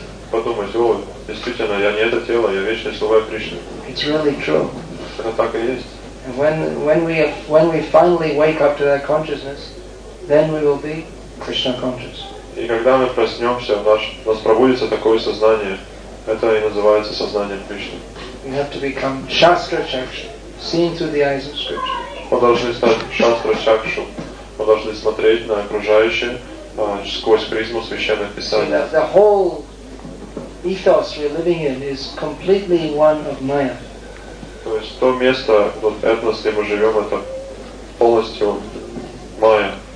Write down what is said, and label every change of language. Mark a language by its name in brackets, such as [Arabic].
[Russian] Подумать, о, действительно, я не это тело, я вечный слуга Кришны. [English] It's really true. [Russian] Это так и есть. [English] And when we finally wake up to that consciousness, then we will be Krishna conscious. [Russian] И когда мы проснемся, у нас пробудится такое сознание, это и называется сознанием Кришны. [English] We have to become Shastra Chakshu. Seeing through the eyes of Scripture. [Russian] Мы должны стать шастра чакшу. Мы должны смотреть на окружающее сквозь призму священных писаний. [English] The whole ethos we're living in is completely one of Maya. [Russian] То есть то место, вот этнос, где мы живем, это полностью Maya.